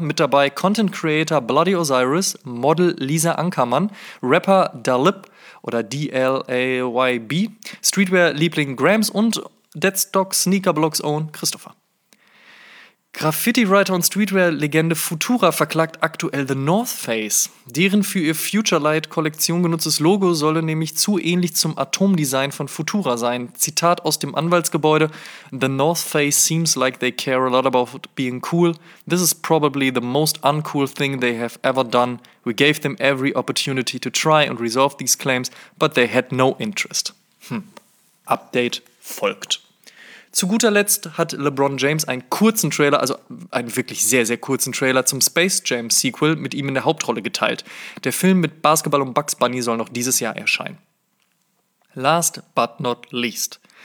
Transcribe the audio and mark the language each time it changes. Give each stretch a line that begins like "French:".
German: Mit dabei Content-Creator Bloody Osiris, Model Lisa Ankermann, Rapper Dalyb oder D-L-A-Y-B, Streetwear-Liebling Grams und Deadstock-Sneaker-Blocks-Own Christopher. Graffiti-Writer und Streetwear-Legende Futura verklagt aktuell The North Face. Deren für ihr Futurelight-Kollektion genutztes Logo solle nämlich zu ähnlich zum Atomdesign von Futura sein. Zitat aus dem Anwaltsgebäude:
English: "The North Face seems like they care a lot about being cool. This is probably the most uncool thing they have ever done. We gave them every opportunity to try and resolve these claims, but they had no interest."
German: Update folgt. Zu guter Letzt hat LeBron James einen kurzen Trailer, also einen wirklich sehr, sehr kurzen Trailer zum Space Jam Sequel mit ihm in der Hauptrolle geteilt. Der Film mit Basketball und Bugs Bunny soll noch dieses Jahr erscheinen.
English: Last but not least.